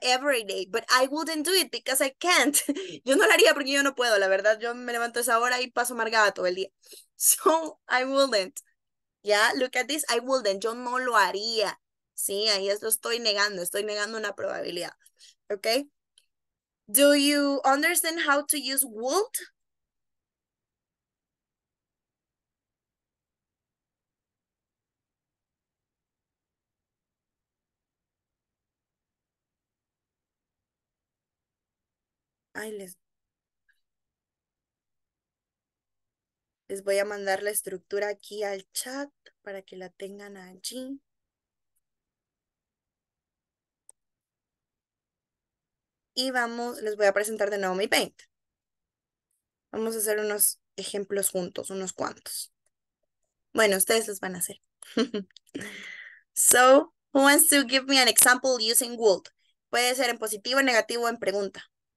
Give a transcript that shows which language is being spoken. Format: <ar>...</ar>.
<en>every day, but I wouldn't do it because I can't.</en> <es>Yo no lo haría porque yo no puedo, la verdad. Yo me levanto a esa hora y paso amargada todo el día.</es> <en>So, I wouldn't. Yeah, look at this. I wouldn't.</en> <es>Yo no lo haría. Sí, ahí es lo estoy negando. Estoy negando una probabilidad.</es> <en>Okay. Do you understand how to use would?</en> <es>Ay, les voy a mandar la estructura aquí al chat para que la tengan allí. Y vamos, les voy a presentar de nuevo mi Paint. Vamos a hacer unos ejemplos juntos, unos cuantos. Bueno, ustedes los van a hacer.</es> <en>So, who wants to give me an example using would?</en> <es>Puede ser en positivo, en negativo o en pregunta.</es>